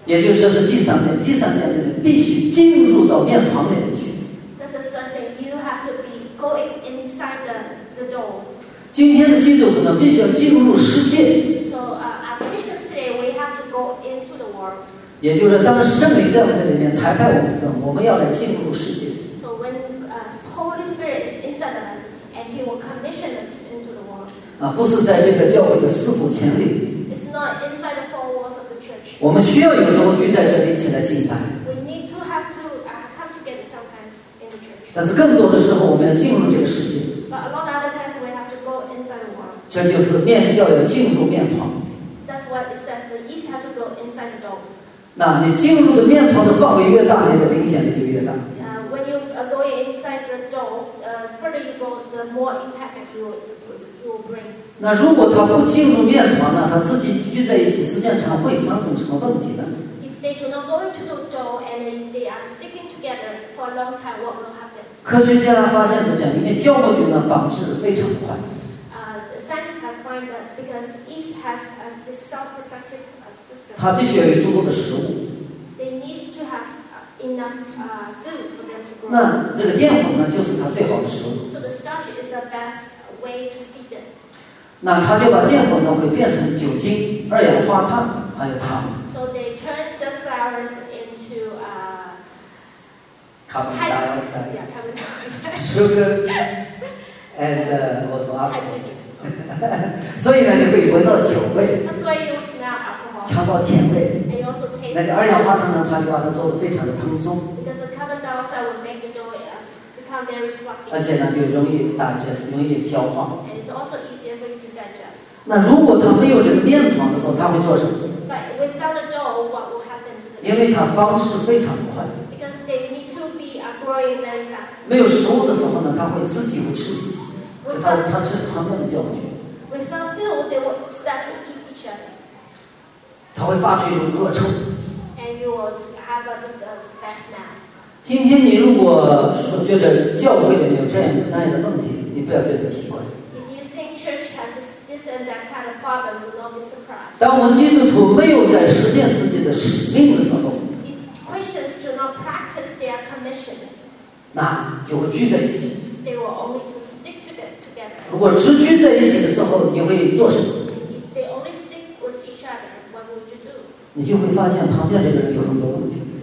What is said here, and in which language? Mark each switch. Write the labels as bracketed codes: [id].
[zh] 也就是说是第三点就是必须进入到面团里面去。 [en] That's the first thing. You have to be going inside the dough. [zh] 今天的基督徒呢，必须要进入世界。 [en] So as Christians today, we have to go into the world. [zh] 也就是当圣灵在我们里面裁判我们的时候，我们要来进入世界。 [en] So when Holy Spirit is inside us and He will commission us into the world. [zh] 不是在这个教会的四股墙里。 [en] It's not inside the four walls of the church. [zh] 我们需要有时候聚在这里一起来敬拜。 [en] We need to have to come together sometimes in the church. [zh] 但是更多的时候，我们要进入这个世界。 [en] But a lot of other times we have to go inside the world. [zh] 这就是面教要进入面团。 [en] That's what it says. The yeast has to go inside the dough. [zh] 那你进入的面团的范围越大，你的影响力就越大。 [en] When you go inside the dough, further you go, the more impact you bring. [zh] 那如果它不进入面团呢？它自己聚在一起，时间长会产生什么问题呢 [en] ？If they do not go into the dough and they are sticking together for a long time, what will happen? [zh] 科学家发现是这样，因为酵母菌呢繁殖非常快。 [en] Scientists have found that because yeast has this self-productive. [zh] 他必须要有足够的食物。 [en] They need to have enough food for them to grow. [zh] 那这个淀粉呢，就是他最好的食物。 [en] So the starch is the best way to feed them. [zh] 那他就把淀粉呢会变成酒精、二氧化碳还有糖。 [en] So they turn the flowers into carbon dioxide. Yeah, carbon dioxide. Sugar and also alcohol. [zh] 所以呢，你会闻到酒味。 [en] That's why you smell alcohol. [zh] 尝到甜味 [en] and also taste [zh] 那个二氧化碳呢它就把它做得非常的蓬松 [en] because the carbon dioxide will make the dough become very fluffy. [zh] 而且呢，就容易 digest， 容易消化。 [en] And it's also easier for you to digest. [zh] 那如果它没有这个面团的时候，它会做什么？ [en] But without the dough, what will happen to the? [zh] 因为它方式非常快。 [en] Because they need to be growing very fast. [zh] 没有食物的时候呢，它会自己会吃自己，就它吃旁边的酵母菌。 [en] Without food, they will start to eat each other. [zh] 它会发出一种恶臭。 [en] And you will have a bad smell. [zh] 今天你如果说觉得教会里面有这样那样的问题，你不要觉得奇怪。 [en] If you think church has this and that kind of problem, you'll not be surprised. [zh] 当我们基督徒没有在实践自己的使命的时候 [en] ，If Christians do not practice their commission, [zh] 那就会聚在一起。 [en] They will only to stick to them together. [zh] 如果只聚在一起的时候，你会做什么 [en] ？If they only stick with each other, what would you do? [zh] 你就会发现旁边这个人有很多问题。